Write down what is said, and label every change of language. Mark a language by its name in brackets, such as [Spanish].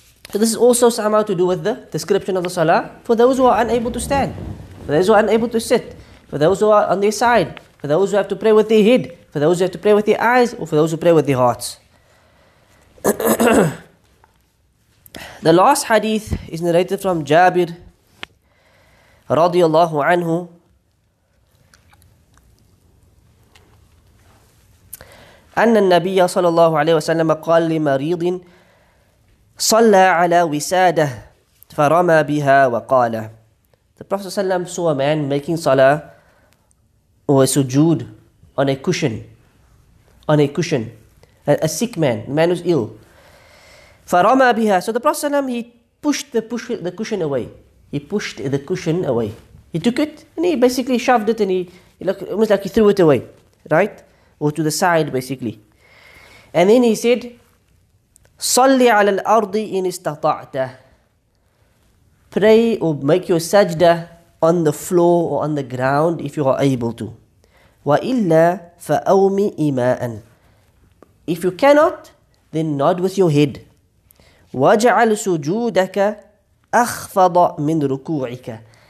[English] So this is also somehow to do with the description of the salah for those who are unable to stand, for those who are unable to sit, for those who are on their side, for those who have to pray with their head, for those who have to pray with their eyes, or for those who pray with their hearts. The last hadith is narrated from Jabir radiallahu anhu. [Arabic] أن النبي صلى الله عليه وسلم قال لمريض صلى على وسادة فرمى بها وقال. [English] The Prophet [Arabic] صلى الله عليه وسلم [English] saw a man making salah or a sujood on a cushion. On a cushion. A sick man. A man who's ill. [Arabic] فرمى بها. [English] So the Prophet [Arabic] صلى الله عليه وسلم, [English] he pushed the cushion away. He pushed the cushion away. He took it and he basically shoved it and he almost like he threw it away. Right? Or to the side, basically. And then he said, [Arabic] صلي على الأرض إن استطعت. [English] Pray or make your sajda on the floor or on the ground if you are able to. [Arabic] وَإِلَّا فَأَوْمِ إِمَاءً. [English] If you cannot, then nod with your head. [Arabic] وَجَعَلْ سُجُودَكَ أَخْفَضَ مِنْ رُكُوعِكَ.